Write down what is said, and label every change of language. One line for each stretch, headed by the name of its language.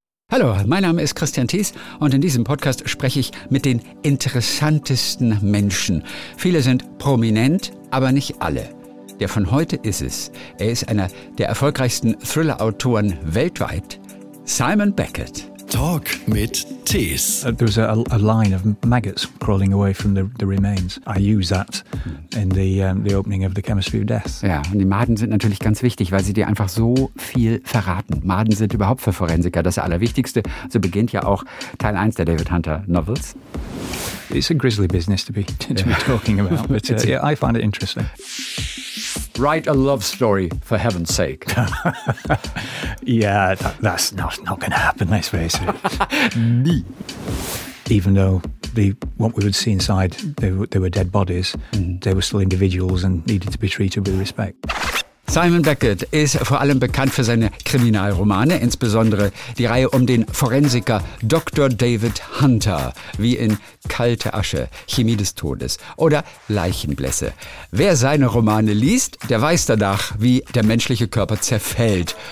German: Hallo, mein Name ist Christian Thies und in diesem Podcast spreche ich mit den interessantesten Menschen. Viele sind prominent, aber nicht alle. Der von heute ist es. Er ist einer der erfolgreichsten Thriller-Autoren weltweit, Simon Beckett. Talk mit Thies.
English: There was a line of maggots crawling away from the remains. I use that in the opening of The Chemistry of Death.
German: Ja, und die Maden sind natürlich ganz wichtig, weil sie dir einfach so viel verraten. Maden sind überhaupt für Forensiker das Allerwichtigste. So beginnt ja auch Teil 1 der David Hunter Novels.
English: It's a grisly business to be talking about, but I find it interesting. Write a love story, for heaven's sake. Yeah, that's not going to happen, let's face it. Me. Even though what we would see inside, they were dead bodies, they were still individuals and needed to be treated with respect.
German: Simon Beckett ist vor allem bekannt für seine Kriminalromane, insbesondere die Reihe um den Forensiker Dr. David Hunter, wie in Kalte Asche, Chemie des Todes oder Leichenblässe. Wer seine Romane liest, der weiß danach, wie der menschliche Körper zerfällt.